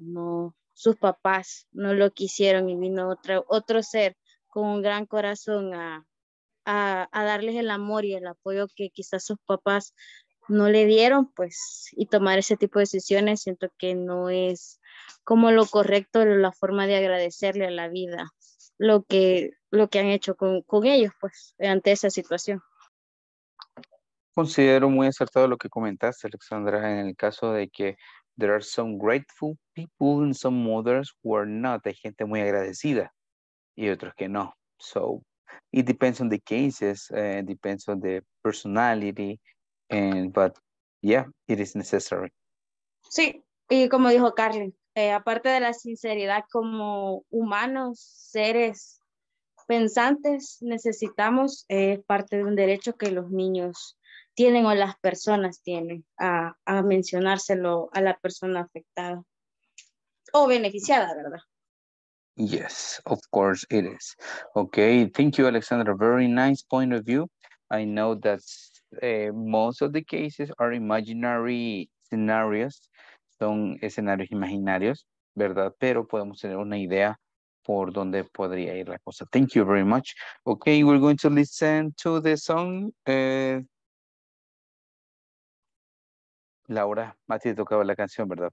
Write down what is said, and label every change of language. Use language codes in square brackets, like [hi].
[es] No, sus papás no lo quisieron y vino otro ser con un gran corazón a darles el amor y el apoyo que quizás sus papás no le dieron, pues, y tomar ese tipo de decisiones, siento que no es como lo correcto, la forma de agradecerle a la vida lo que han hecho con ellos, pues, ante esa situación. Considero muy acertado lo que comentaste, Alexandra, en el caso de que [en] there are some grateful people and some others who are not. [es] Hay gente muy agradecida y otros que no. [en] So it depends on the cases, depends on the personality, but yeah, it is necessary. [es] Sí, y como dijo Carly, aparte de la sinceridad como humanos, seres pensantes, necesitamos, es parte de un derecho que los niños tienen o las personas tienen a mencionárselo a la persona afectada o beneficiada, ¿verdad? [en] Yes, of course it is. Okay, thank you, Alexandra. Very nice point of view. I know that most of the cases are imaginary scenarios. [es] Son escenarios imaginarios, ¿verdad? Pero podemos tener una idea por dónde podría ir la cosa. [en] Thank you very much. Okay, we're going to listen to the song. [es] Laura, a ti te tocaba la canción, ¿verdad?